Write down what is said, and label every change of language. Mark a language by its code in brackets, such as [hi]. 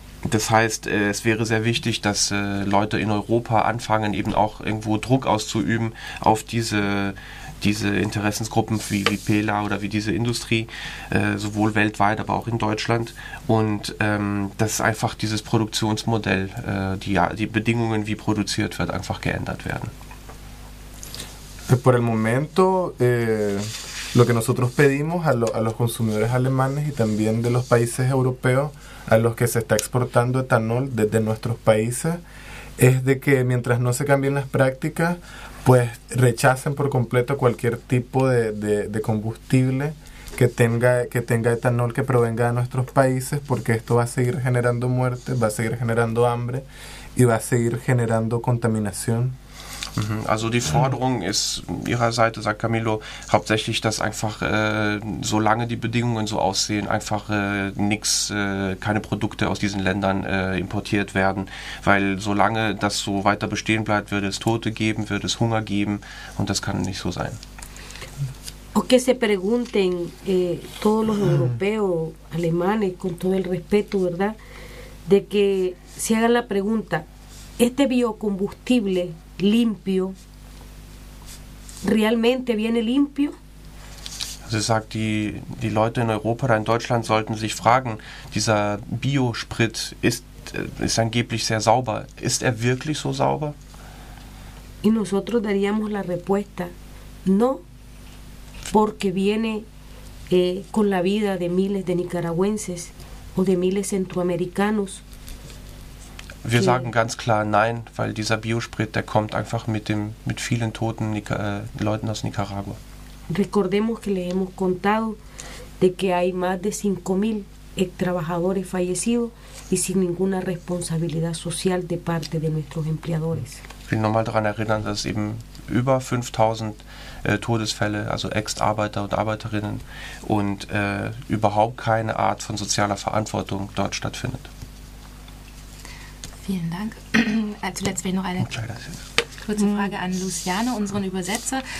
[de] Das heißt, es wäre sehr wichtig, dass Leute in Europa anfangen, eben auch irgendwo Druck auszuüben auf diese Interessensgruppen wie Pela oder wie diese Industrie, sowohl weltweit, aber auch in Deutschland. Und dass einfach dieses Produktionsmodell, die Bedingungen, wie produziert wird, einfach geändert werden. [es] Por el momento, lo que nosotros pedimos a los consumidores alemanes y también de los países europeos a los que se está exportando etanol desde nuestros países es de que mientras no se cambien las prácticas, pues rechacen por completo cualquier tipo de combustible que tenga etanol que provenga de nuestros países, porque esto va a seguir generando muerte, va a seguir generando hambre y va a seguir generando contaminación. [de] Also die Forderung ist ihrer Seite, sagt Camilo, hauptsächlich, dass einfach, solange die Bedingungen so aussehen, einfach keine Produkte aus diesen Ländern importiert werden, weil solange das so weiter bestehen bleibt, wird es Tote geben, wird es Hunger geben und das kann nicht so sein. [es] O que se pregunten todos los europeos, alemanes, con todo el respeto, ¿verdad? De que se hagan la pregunta, este biocombustible limpio, realmente viene limpio? [de] Sie sagt, die Leute in Europa oder in Deutschland sollten sich fragen, dieser Biosprit ist angeblich sehr sauber. Ist er wirklich so sauber? [es] Y nosotros daríamos la respuesta, no, porque viene con la vida de miles de nicaragüenses o de miles centroamericanos. [de] Wir sagen ganz klar nein, weil dieser Biosprit, der kommt einfach mit vielen toten Leuten aus Nicaragua. [es] Recordemos que les hemos contado de que hay más de 5.000 trabajadores fallecidos y sin ninguna responsabilidad social de parte de nuestros empleadores. [de] Ich will nochmal daran erinnern, dass eben über 5.000 Todesfälle, also Ex-Arbeiter und Arbeiterinnen und überhaupt keine Art von sozialer Verantwortung dort stattfindet. Vielen Dank. Zuletzt will ich noch eine kurze Frage an Luciano, unseren Übersetzer.